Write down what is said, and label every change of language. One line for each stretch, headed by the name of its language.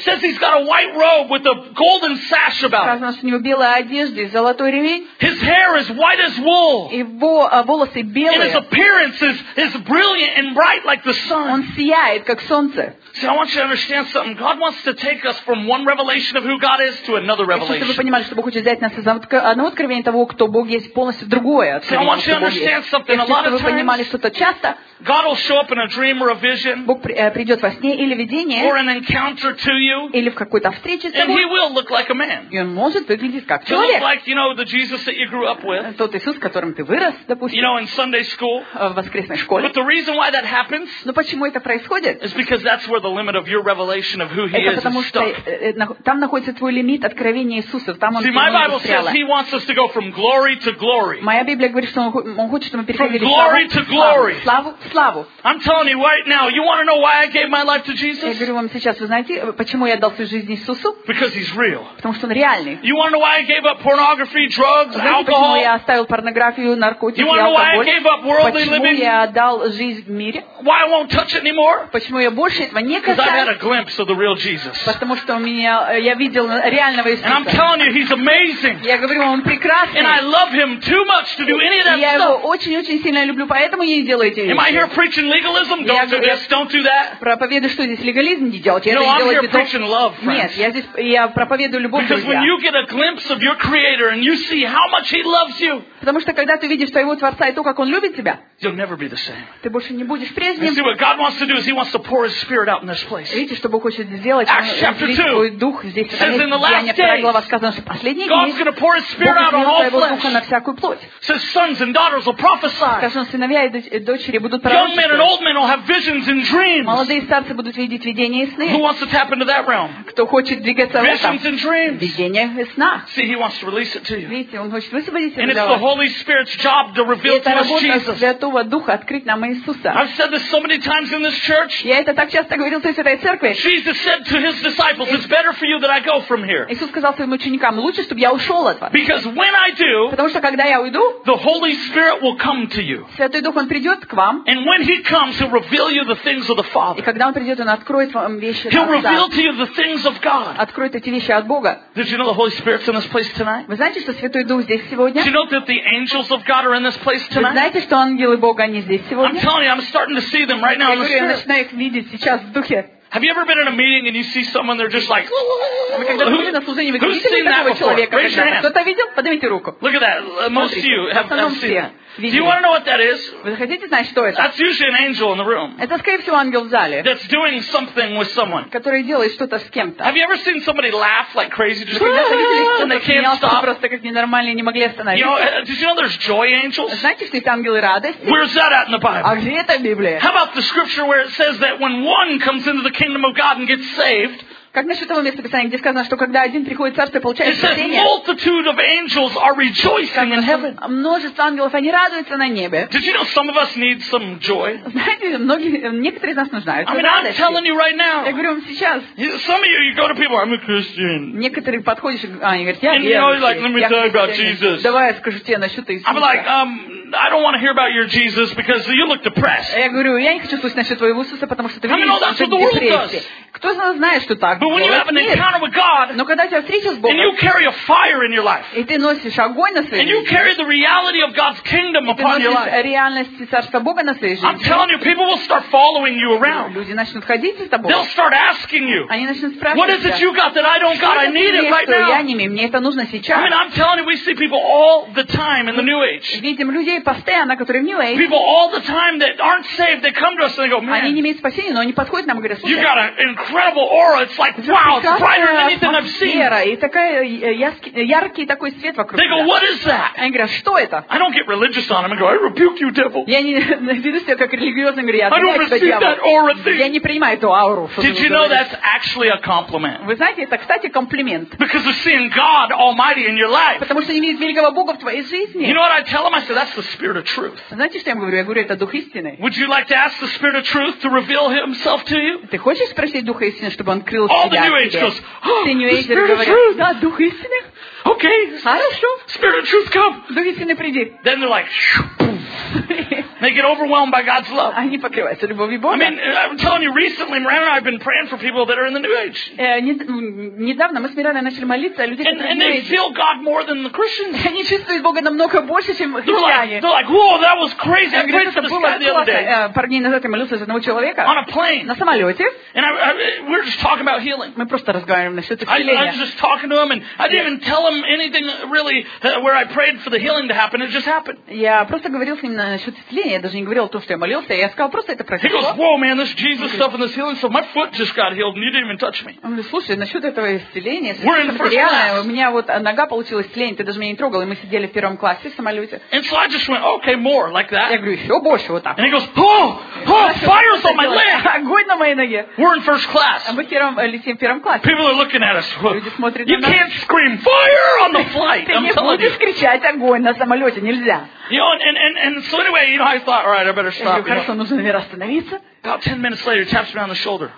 English: Says he's got a white robe with a golden sash about it.
Russian: Сказано, что у него белая одежда и золотой ремень.
English: His hair is white as wool.
Russian: Его волосы белые.
English: And his appearance is brilliant and bright like the sun.
Russian: Он сияет, как солнце.
English: See, I want you to understand something. God wants to take us from one revelation of who God is to another revelation.
Russian: Чтобы вы понимали, что Бог хочет взять нас из одного откровения того, кто Бог есть, полностью другое откровение.
English: See, I want you to understand something.
Russian: Чтобы вы понимали, что-то часто.
English: God will show up in a dream or a vision.
Russian: Бог придет во сне или видение.
English: Or an encounter to you.
Russian: Или в какой-то встрече с тобой.
English: And he will look like a man.
Russian: И он может выглядеть как человек.
English: He'll look like, you know, the Jesus that you grew up with.
Russian: Тот Иисус, которым ты вырос, допустим.
English: You know, in Sunday school.
Russian: В воскресной школе.
English: But the reason why that happens.
Russian: Но почему это происходит? Это потому что там находится твой лимит откровения Иисуса. Там он устрела. Моя Библия говорит, что он хочет, чтобы мы переходили славу.
English: I'm telling you right now, you want to know why I gave my life to Jesus?
Russian: Я говорю вам сейчас, вы знаете, почему я дал свою жизнь Иисусу?
English: Because he's real.
Russian: Потому что он реальный.
English: You want to know why I gave up pornography, drugs, alcohol?
Russian: Знаете, почему я оставил порнографию, наркотики, алкоголь?
English: You want to know why I gave up worldly living?
Russian: Почему я отдал жизнь в мире?
English: Why I won't touch it anymore?
Russian: Почему я больше этого не касаюсь?
English: Because I had a glimpse of the real Jesus.
Russian: Потому что у меня я видел реального Иисуса.
English: And I'm telling you, he's amazing.
Russian: Я говорю вам, он прекрасный.
English: And I love him too much to do any of that stuff.
Russian: Я его очень-очень сильно люблю, поэтому я не делаю эти вещи.
English: Am I here preaching legalism? Don't do this. Don't do that.
Russian: Проповедую, что здесь легализм, не делайте это.
English: No, I'm here preaching love, friends.
Russian: Нет, я здесь я проповедую любовь.
English: Because when you get a glimpse of your Creator and you see how much He loves you.
Russian: Потому что когда ты видишь твоего Творца и то, как Он любит тебя,
English: you'll never be the same.
Russian: Ты больше не будешь прежним.
English: You see, what God wants to do is He wants to pour His Spirit out in this place.
Russian: Видите, что Бог хочет сделать?
English: Acts chapter 2 says in the last days, God's going to pour His Spirit out on all flesh. Says sons and daughters will prophesy. Young men and old men will have visions and dreams.
Russian: Молодые старцы будут видеть видения и сны.
English: Who wants to tap into that realm?
Russian: Кто хочет двигаться в этом?
English: Visions and dreams.
Russian: Видения и сна.
English: See, He wants to release it to you.
Russian: Видите, Он хочет высвободить это.
English: And it's the Holy Spirit's job to reveal to us Jesus.
Russian: Это работа Святого Духа открыть нам Иисуса.
English: So many times in this church.
Russian: Я это так часто говорил в этой церкви.
English: Jesus said to his disciples, "It's better for you that I go from here."
Russian: Иисус сказал своим ученикам, лучше, чтобы я ушел от вас.
English: Because when I do,
Russian: потому что когда я уйду,
English: the Holy Spirit will come to you.
Russian: Святой Дух он придет к вам.
English: And when he comes, he'll reveal you the things of the Father.
Russian: И когда он придет, он откроет вам вещи.
English: He'll reveal to you the things of God.
Russian: Откроет эти вещи от Бога.
English: Did you know the Holy Spirit's in this place tonight?
Russian: Вы знаете, что Святой Дух здесь сегодня?
English: Did you know that the angels of God are in this place tonight?
Russian: Вы знаете, что ангелы Бога они здесь сегодня?
English: I'm telling you, I'm starting to see them right now.
Russian: Я начинаю их видеть сейчас в духе.
English: Have you ever been in a meeting and you see someone, they're just like, who's seen that before? Raise your hand.
Russian: Поднимите руку.
English: Look at that. Most of you have seen that. Do you want to know what that is?
Russian: Вы хотите знать, что это?
English: That's usually an angel in the room.
Russian: Это, скорее всего, ангел в зале.
English: That's doing something with someone.
Russian: Который делает что-то с кем-то.
English: Have you ever seen somebody laugh like crazy? Just
Russian: когда-то видели,
English: and they can't стоп.
Russian: Просто как ненормальные, не могли остановиться.
English: You know, did you know there's joy angels?
Russian: Знаете, что есть ангелы радости?
English: Where's that at in the Bible?
Russian: А где это в Библии?
English: How about the scripture where it says that when one comes into the kingdom of God and gets saved?
Russian: Как насчет того места Писания, где сказано, что когда один приходит в царство, получает спасение?
English: It says multitude of angels are rejoicing in heaven.
Russian: Множество ангелов, они радуются на небе.
English: Did you know some of us need some joy?
Russian: Знаете, некоторые из нас нуждаются в
English: радости. I'm telling you right now.
Russian: Я говорю вам сейчас.
English: Some of you, you go to people, I'm a Christian.
Russian: Некоторые подходишь, они говорят, я
English: верующий. And you're like, let me tell you about Jesus.
Russian: Давай я скажу тебе насчет Иисуса.
English: I'm like, I don't want to hear about your Jesus because you look depressed.
Russian: Я говорю, я не хочу слышать насчет твоего Иисуса, потому что ты выглядишь в депрессии. Кто из нас знает, что так?
English: But when you have an encounter with God,
Russian: но когда тебя встретил с Богом,
English: and you carry a fire in your life,
Russian: и ты носишь огонь на своей,
English: and you carry the reality of God's kingdom upon your life,
Russian: реальность царства Бога на своей жизни,
English: I'm telling you, people will start following you around.
Russian: Люди начнут ходить за тобой.
English: They'll start asking you,
Russian: они начнут спрашивать,
English: what is it you got that I don't got? I need it right now.
Russian: Я не имею, мне это нужно сейчас.
English: I mean, I'm telling you, we see people all the time in the New Age.
Russian: Видим людей постоянно, которые в New Age.
English: People all the time that aren't saved, they come to us and they go, man.
Russian: Они не имеют спасения, но они подходят нам и говорят,
English: you got an incredible incredible aura. It's like, wow, it's brighter than anything I've seen.
Russian: И такой яркий такой свет вокруг.
English: They go, what is that?
Russian: Они говорят, что это?
English: I don't get religious on them and go, I rebuke you, devil.
Russian: Я не веду себя как религиозный, говорю, я отгоняю тебя, дьявол.
English: I don't receive that aura thing.
Russian: Я не принимаю эту ауру.
English: Did you know that's actually a compliment?
Russian: Вы знаете, это, кстати, комплимент.
English: Because of seeing God Almighty in your life.
Russian: Потому что не видеть великого Бога в твоей жизни.
English: You know what I tell them? I say, that's the spirit of truth.
Russian: Знаете, что я говорю? Я говорю, это дух истины.
English: Would you like to ask the spirit of truth to reveal himself to you?
Russian: Ты хочешь спросить духа истины, чтобы он открыл
English: себя? All the New Age goes, the New Age говорит,
Russian: да, дух истины.
English: Okay.
Russian: Хорошо.
English: Spirit of truth, come.
Russian: Дух истины, приди.
English: Then they're like, they get overwhelmed by God's love.
Russian: Они покрываются любовью Бога.
English: I mean, I'm telling you, recently, Miranda and I have been praying for people that are in the New Age.
Russian: Недавно мы с Мираной начали молиться о людях, которые в New Age.
English: And they feel God more than the Christians.
Russian: Они чувствуют Бога намного больше, чем христиане.
English: They're like, whoa, that was crazy. I prayed for this guy the other day.
Russian: Пару дней назад я молился за одного человека.
English: On a plane.
Russian: На самолете.
English: And we're just talking about healing.
Russian: Мы просто разговариваем насчет исцеления.
English: I was just talking to him, and I didn't even tell him anything really where I prayed for the healing to happen. It just happened.
Russian: Я просто говорил с ним насчет исцеления. Я даже не говорил о том, что я молился. Я сказал, просто это произошло.
English: He goes, whoa, man, this Jesus stuff and this healing stuff. My foot just got healed and you didn't even touch me.
Russian: Он говорит, слушай, насчет этого исцеления, у меня вот нога получила исцеление, ты даже меня не трогал, и мы сидели в первом классе в самолете.
English: And so I just went, okay, more, like that.
Russian: Я говорю, еще больше, вот так.
English: And he goes, oh, fire's on my leg.
Russian: Огонь на моей ноге.
English: We're in first class.
Russian: Мы летим в первом классе.
English: People are looking at us.
Russian: Люди смотрят на
English: нас. You can't scream fire on the flight, I'm telling you.
Russian: Ты не будешь кричать огонь на самолете, нельзя.
English: You know, and so anyway, you know, I thought, all right, I better stop. About 10 minutes later, he taps me on the shoulder.